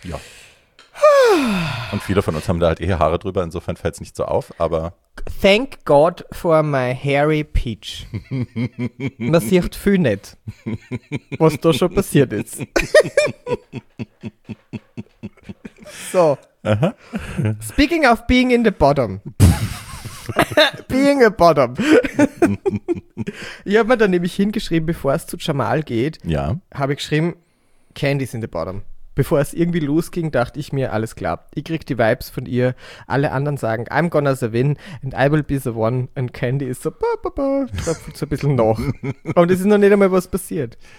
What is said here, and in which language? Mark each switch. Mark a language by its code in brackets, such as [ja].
[de] Ja. Und viele von uns haben da halt eh Haare drüber, insofern fällt es nicht so auf, aber... [en] Thank God for my hairy peach. [de] Man sieht viel nicht, was da schon passiert ist. So. Aha. [en] Speaking of being in the bottom. Being a bottom. [de] Ich habe mir da nämlich hingeschrieben, bevor es zu Jamal geht, ja, habe ich geschrieben, [en] Candy's in the bottom. [de] Bevor es irgendwie losging, dachte ich mir, alles klar, ich krieg die Vibes von ihr. [en] Alle anderen sagen, I'm gonna the win and I will be the one. [de] And Candy ist so, tröpfelt so ein bisschen noch. Und es ist noch nicht einmal was passiert.